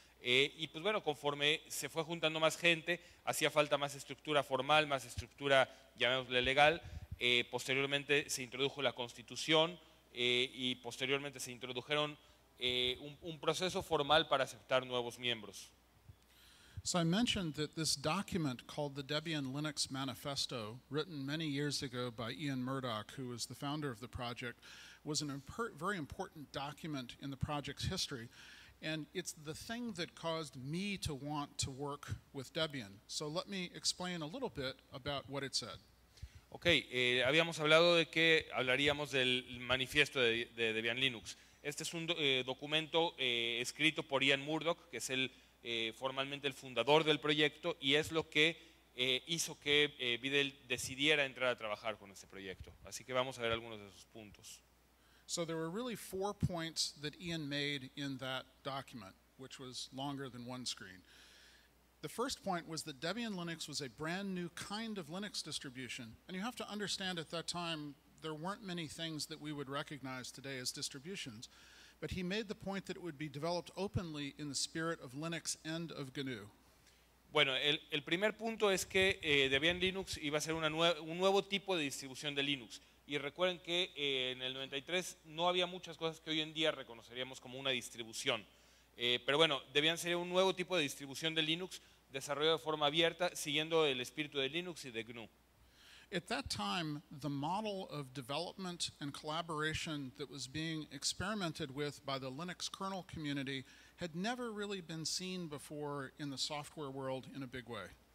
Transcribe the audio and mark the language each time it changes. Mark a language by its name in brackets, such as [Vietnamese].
[Spanish] Y pues bueno, conforme se fue juntando más gente, hacía falta más estructura formal, más estructura, llamémosle, legal. Posteriormente se introdujo la Constitución y posteriormente se introdujeron un proceso formal para aceptar nuevos miembros. [English] So I mentioned that this document called the Debian Linux Manifesto, written many years ago by Ian Murdoch, who was the founder of the project, was an very important document in the project's history. And it's the thing that caused me to want to work with Debian. So let me explain a little bit about what it said. [Spanish] Ok, habíamos hablado de que hablaríamos del manifiesto de Debian Linux. Este es un documento escrito por Ian Murdoch, que es formalmente el fundador del proyecto, y es lo que hizo que Videl decidiera entrar a trabajar con este proyecto. Así que vamos a ver algunos de esos puntos. [English] So there were really four points that Ian made in that document, which was longer than one screen. The first point was that Debian Linux was a brand new kind of Linux distribution. And you have to understand at that time, there weren't many things that we would recognize today as distributions. But he made the point that it would be developed openly in the spirit of Linux and of GNU. [Spanish] Bueno, el primer punto es que Debian Linux iba a ser un nuevo tipo de distribución de Linux. Y recuerden que en el 93 no había muchas cosas que hoy en día reconoceríamos como una distribución. Pero bueno, Debian sería un nuevo tipo de distribución de Linux desarrollado de forma abierta siguiendo el espíritu de Linux y de GNU. [English] At that time, the model of development and collaboration that was being experimented with by the Linux kernel community had never really been seen before in the software world in a big way.